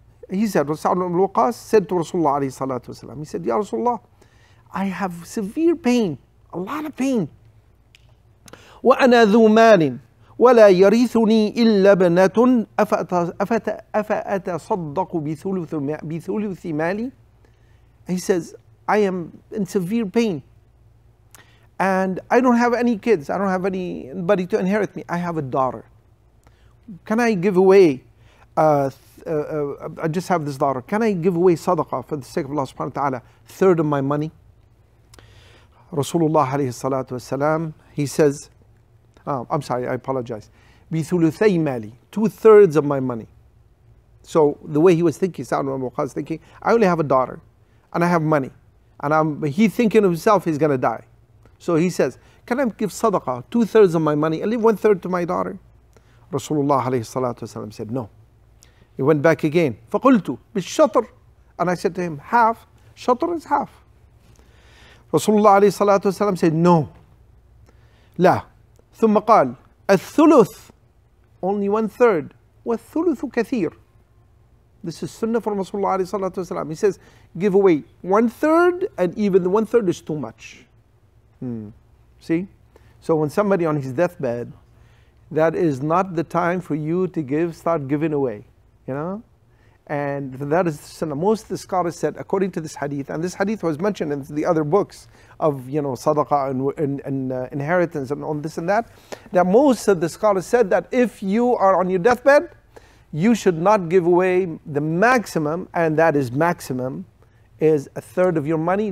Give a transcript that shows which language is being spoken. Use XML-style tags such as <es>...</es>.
<en>He said, سعد بن الوقاص said to رسول الله عليه الصلاة والسلام. He said, يا رسول الله, I have severe pain. A lot of pain.</en> <ar>وأنا ذو مال. ولا يرثني إلا بنة أفأتصدق بثلث مالي.</ar> <en>He says, I am in severe pain and I don't have any kids. I don't have anybody to inherit me. I have a daughter. Can I give away? I just have this daughter. Can I give away sadaqah for the sake of Allah subhanahu wa ta'ala? Third of my money. Rasulullah alayhi salatu wasalam, he says, I'm sorry, I apologize.</en> <ar>بثلثي مالي,</ar> <en>two-thirds of my money. So the way he was thinking, Sa'd ibn Waqqas thinking, I only have a daughter and I have money. And he's thinking of himself, he's going to die. So he says, can I give sadaqah, two-thirds of my money and leave one-third to my daughter? Rasulullah alayhi salatu wasalam said, no. He went back again.</en> <ar>فقلت بالشطر.</ar> <en>And I said to him, half, shatr is half. Rasulullah alayhi salatu wasalam said, no. لا.</en> <ar>ثم قال الثلث,</ar> <en>only one third,</en> <ar>والثلث كثير.</ar> <en>This is sunnah from Rasulullah عليه الصلاة والسلام. He says, give away one third and even the one third is too much. See? So when somebody on his deathbed, that is not the time for you to give, start giving away. You know? And that is the sunnah. Most of the scholars said, according to this hadith, and this hadith was mentioned in the other books of, you know, sadaqah and inheritance and all this and that, that most of the scholars said that if you are on your deathbed, you should not give away the maximum, and that is maximum, is a third of your money.</en>